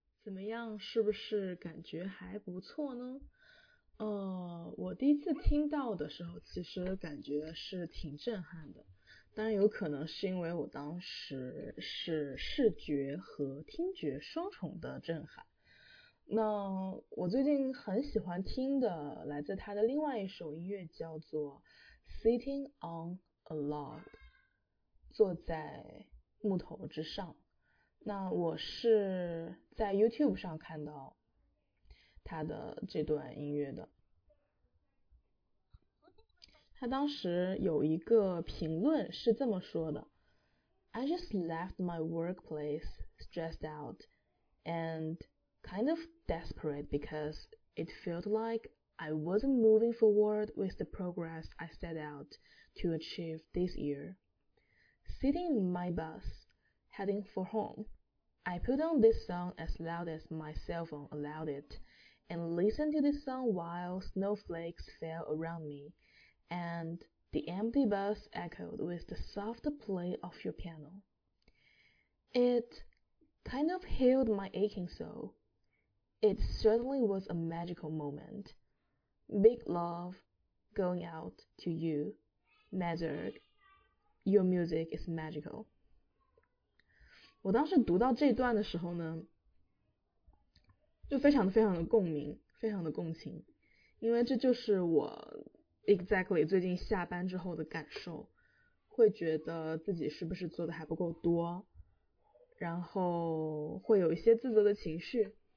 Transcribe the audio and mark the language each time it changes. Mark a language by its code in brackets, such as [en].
[zh] 么样？是不是感觉还不错呢？我第一次听到的时候其实感觉是挺震撼的，当然有可能是因为我当时是视觉和听觉双重的震撼。那我最近很喜欢听的来自他的另外一首音乐叫做 Sitting on a Log， 坐在木头之上。那我是在 YouTube 上看到他的这段音乐的，他当时有一个评论是这么说的， [en] I just left my workplace stressed out and kind of desperate because it felt like I wasn't moving forward with the progress I set out to achieve this year. Sitting in my bus, heading for home, I put on this song as loud as my cell phone allowed it and listened to this song while snowflakes fell around me. And the empty bus echoed with the soft play of your piano. It kind of healed my aching soul. It certainly was a magical moment. Big love going out to you, Mazurk. Your music is magical. [zh] 我当时读到这段的时候呢，就非常的非常的共鸣，非常的共情，因为这就是我Exactly， 最近下班之后的感受，会觉得自己是不是做的还不够多，然后会有一些自责的情绪。